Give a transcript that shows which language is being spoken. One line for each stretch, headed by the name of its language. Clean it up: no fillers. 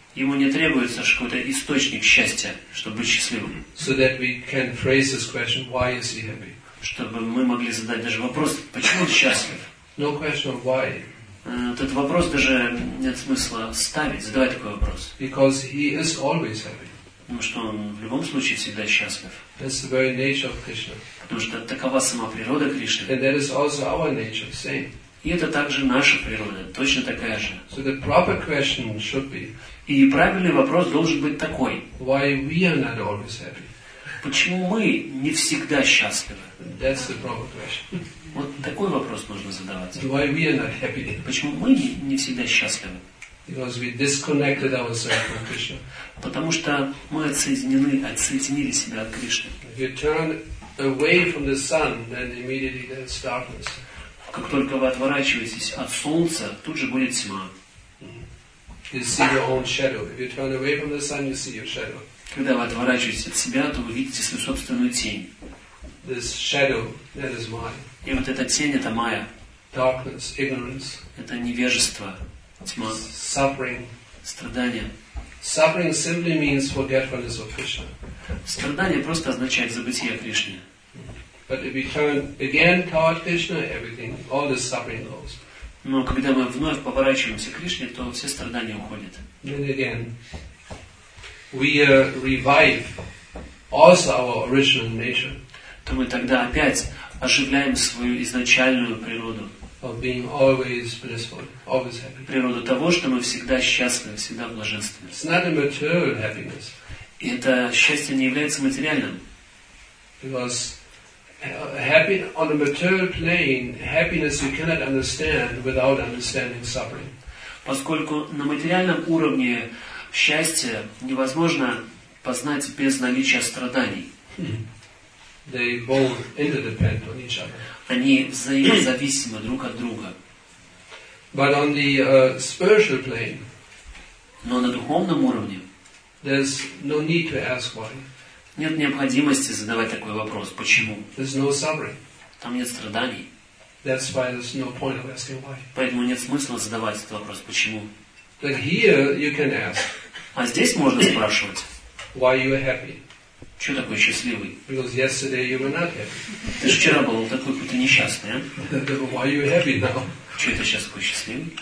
Russian: Ему не требуется какой-то источник счастья, чтобы быть счастливым.
English: So that we can phrase this question, why is he happy?
Russian: Чтобы мы могли задать даже вопрос, почему он счастлив?
English: No question of why.
Russian: Этот вопрос даже нет смысла ставить, задавать такой вопрос.
English: Because he is always happy.
Russian: Потому что он в любом случае всегда счастлив.
English: That's the very nature of Krishna.
Russian: Потому что такова сама природа Кришны.
English: And that is also our nature, same.
Russian: И это также наша природа, точно такая же.
English: So the proper question should be.
Russian: И правильный вопрос должен быть такой.
English: Why we are not always happy?
Russian: Почему мы не всегда счастливы?
English: That's the proper question.
Russian: Вот такой вопрос нужно задавать.
English: Why we are not happy?
Russian: Почему мы не всегда счастливы?
English: Because we disconnected ourselves from Krishna.
Russian: Потому что мы отсоединили себя от Кришны.
English: If you turn away from the sun, then immediately there's darkness.
Russian: Как только вы отворачиваетесь от солнца, тут же будет тьма.
English: You see your own shadow. If you turn away from the sun, you see your shadow.
Russian: Когда вы отворачиваетесь от себя, то вы видите свою собственную тень.
English: This shadow, that is mine.
Russian: И вот эта тень — это моя.
English: Darkness, ignorance.
Russian: Это невежество. Тьма.
English: Suffering.
Russian: Страдания.
English: Suffering simply means forgetfulness of Krishna.
Russian: Страдание просто означает забытие о Кришне.
English: But if we turn again toward Krishna, everything, all the suffering goes.
Russian: Но когда мы вновь поворачиваемся к Кришне, то все страдания уходят.
English: Then again, we revive also our original nature.
Russian: То мы тогда опять оживляем свою изначальную природу.
English: Of being always blissful, always happy.
Russian: Природу того, что мы всегда счастливы, всегда блаженственны.
English: It's not a material happiness.
Russian: И это счастье не является материальным.
English: Because happy on a material plane, happiness you cannot understand without understanding suffering.
Russian: Поскольку на материальном уровне счастье невозможно познать без наличия страданий.
English: They both interdepend on each other.
Russian: Они взаимозависимы друг от друга.
English: But on the spiritual plane,
Russian: но на духовном уровне,
English: there's no need to ask why.
Russian: Нет необходимости задавать такой вопрос, почему.
English: There's no suffering.
Russian: Там нет страданий.
English: That's why there's no point of asking why.
Russian: Поэтому нет смысла задавать этот вопрос, почему.
English: But here you can ask.
Russian: А здесь можно спрашивать.
English: Why you are happy?
Russian: Что такой счастливый?
English: Because yesterday you were not happy.
Russian: Ты же вчера был такой какой-то несчастный, а?
English: Why are you happy now?
Russian: Чего ты сейчас такой счастливый?